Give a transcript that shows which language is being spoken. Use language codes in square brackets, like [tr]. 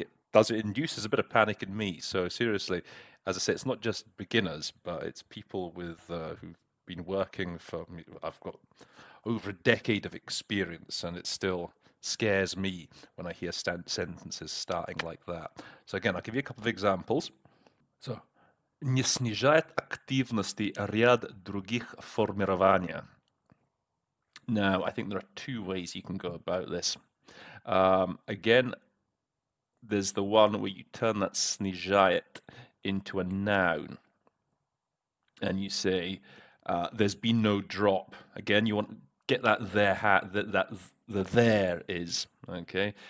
[en] It induces a bit of panic in me. So seriously, as I say, it's not just beginners, but it's people with who've been working for, I've got over a decade of experience, and it still scares me when I hear sentences starting like that. So again, I'll give you a couple of examples. [ru] So, не снижает активности ряд других формирований. [en] Now, I think there are two ways you can go about this. Again, there's the one where you turn that [ru] снижает [en] into a noun, and you say, there's been no drop. Again, you want get that there hat that the there is, okay?